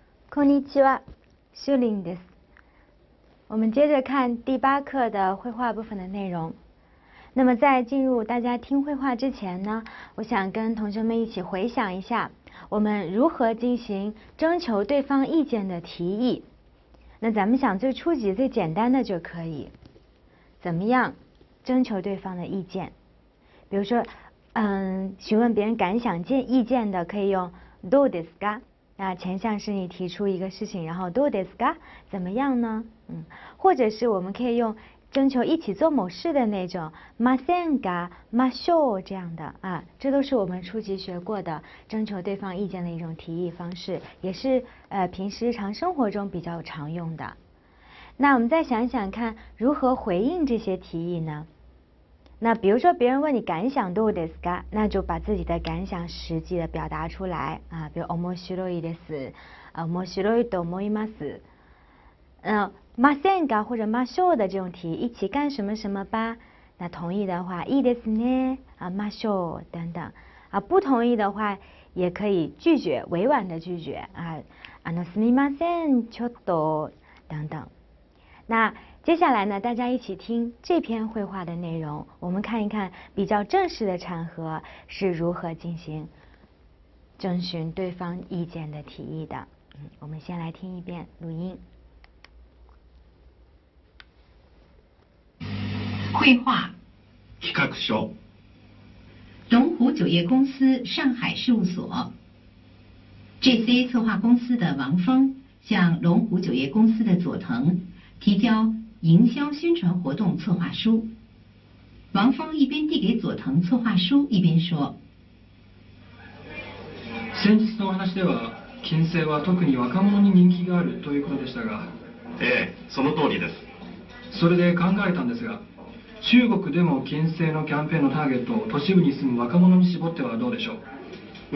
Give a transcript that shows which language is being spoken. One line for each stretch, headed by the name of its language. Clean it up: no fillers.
Japanese: こんにちは、シュリンです。
Chinese: 我们接着看第八课的绘画部分的内容。那么在进入大家听绘画之前呢，我想跟同学们一起回想一下，我们如何进行征求对方意见的提议。那咱们想最初级、最简单的就可以。怎么样征求对方的意见？比如说，询问别人感想、意见的，可以用
Japanese: どうですか？
Chinese: 那前项是你提出一个事情，然后
Japanese: どうですか？
Chinese: 怎么样呢？或者是我们可以用征求一起做某事的那种ませんか、ましょう这样的啊，这都是我们初级学过的征求对方意见的一种提议方式，也是平时日常生活中比较常用的。那我们再想想看，如何回应这些提议呢？那比如说别人问你感想
Japanese: どうですか，
Chinese: 那就把自己的感想实际的表达出来啊，比如
Japanese: 面白いです、面白いと思います。
Chinese: ませんか或者ましょう的这种题，一起干什么什么吧。那同意的话
Japanese: いいですね、ましょう
Chinese: 等等。不同意的话也可以拒绝，委婉的拒绝啊，
Japanese: すみませんちょっと
Chinese: 等等。那接下来呢，大家一起听这篇绘画的内容，我们看一看比较正式的场合是如何进行征询对方意见的提议的。我们先来听一遍录音。绘画
Japanese: 企画書
Chinese: 龙湖酒业公司上海事务所 JC 策划公司的王峰向龙湖酒业公司的佐藤提交营销宣传活动策划书。王峰一边递给佐藤策划书一边说，
Japanese: 先日の話では金星は特に若者に人気があるということでしたが。ええ、その通りです。それで考えたんですが、中国でも金星のキャンペーンのターゲットを都市部に住む若者に絞ってはどうでしょう。